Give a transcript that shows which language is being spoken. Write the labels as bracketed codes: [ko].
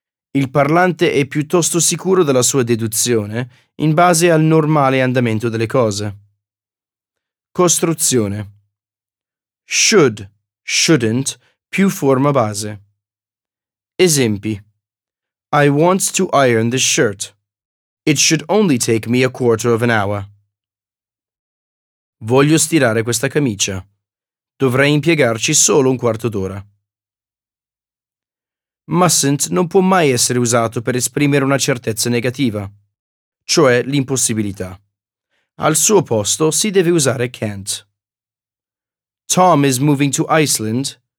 [it] Il parlante è piuttosto sicuro della sua deduzione in base al normale andamento delle cose. Costruzione. Should, shouldn't, più forma base. Esempi. [en] I want to iron this shirt. It should only take me a quarter of an hour. [it] Voglio stirare questa camicia. Dovrei impiegarci solo un quarto d'ora. Mustn't non può mai essere usato per esprimere una certezza negativa, cioè l'impossibilità. Al suo posto si deve usare can't. [en] Tom is moving to Iceland.